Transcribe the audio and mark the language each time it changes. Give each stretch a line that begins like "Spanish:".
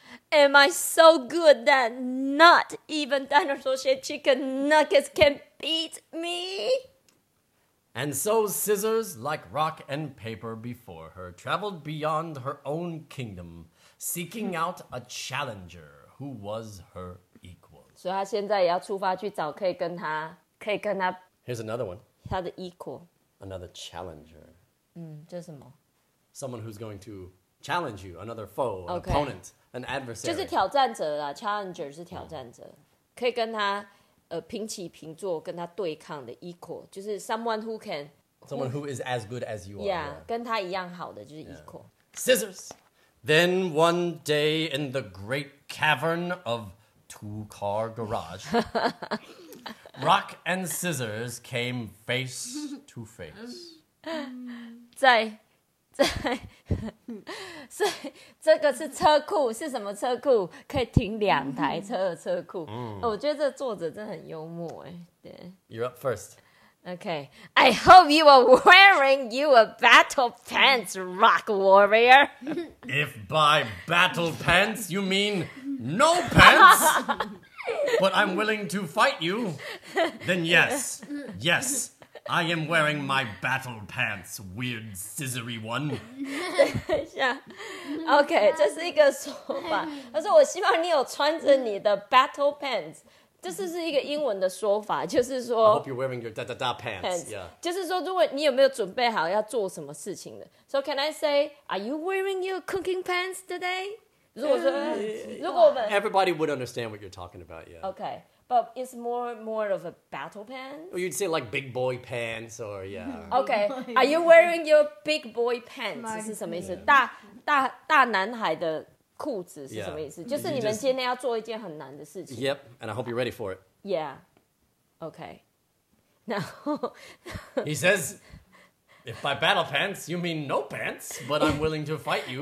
English: Am I so good that not even dinosaur-shaped chicken nuggets can beat me? And so Scissors, like rock and paper before her, traveled beyond her own kingdom, seeking out a challenger who was her equal.
Chinese: 所以他现在也要出发去找可以跟他
English: Here's another one.
Chinese: 他的 equal.
English: Another challenger.
Chinese: 这是什么
English: Someone who's going to challenge you, another foe, an opponent, an adversary.
Chinese: 就是挑战者啦 challenger 是挑战者。可以跟他平起平坐跟他对抗的 equal, 就是
English: someone who can... Someone who is as good as you are.
Chinese: Yeah, 跟他一样好的就是 equal.
English: Scissors! Then one day in the great cavern of... two-car garage. Rock and Scissors came face Two Face
Chinese: 在所以这个是车库，是什么车库？可以停两台车的车库。 Mm. 我觉得这个作者真的很幽默哎。对
English: ，You're up first. Okay, I hope you are wearing your battle pants, Rock Warrior. If by battle pants you mean no pants, but I'm willing to fight you, then yes, yes. I am wearing my battle pants, weird scissory one.
Chinese: 等一下 OK, 这是一个说法。他说我希望你有穿着你的 battle pants. 这是一个英文的说法，就是说
English: I hope you're wearing your da-da-da pants. Pants.、 Yeah.
Chinese: 就是说如果你有没有准备好要做什么事情的。
English: So can I say, are you wearing your cooking pants today?
Chinese: 如果我们
English: Everybody would understand what you're talking about, yeah. OK. But it's more of a battle pants? Or you'd say like big boy pants or yeah. Okay, are you wearing your big boy pants?
Chinese: 是什么意思？
English: Yeah.
Chinese: 大男孩的裤子是什么意思？
English: Yeah.
Chinese: 就是你们今天要做一件很难的事情。
English: Yep, and I hope you're ready for it. Yeah, okay. Now, he says, if by battle pants, you mean no pants, but I'm willing to fight you.